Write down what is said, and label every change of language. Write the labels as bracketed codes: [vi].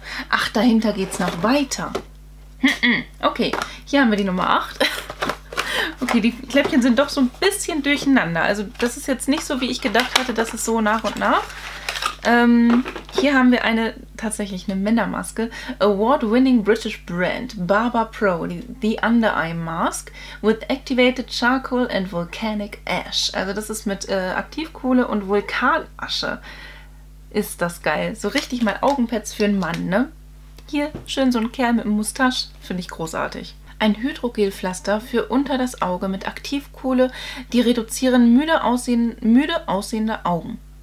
[de] Ach, dahinter geht's noch weiter. Okay, hier haben wir die Nummer 8. Okay, die Kläppchen sind doch so ein bisschen durcheinander. Also das ist jetzt nicht so, wie ich gedacht hatte, dass es so nach und nach. Hier haben wir tatsächlich eine Männermaske. [en] Award-winning British brand, Barber Pro, the Under-Eye Mask with activated charcoal and volcanic ash. [de] Also das ist mit Aktivkohle und Vulkanasche. Ist das geil. So richtig mal Augenpads für einen Mann, ne? Hier, schön so ein Kerl mit einem Mustache. Finde ich großartig. Ein Hydrogelpflaster für unter das Auge mit Aktivkohle. Die reduzieren müde aussehende Augen.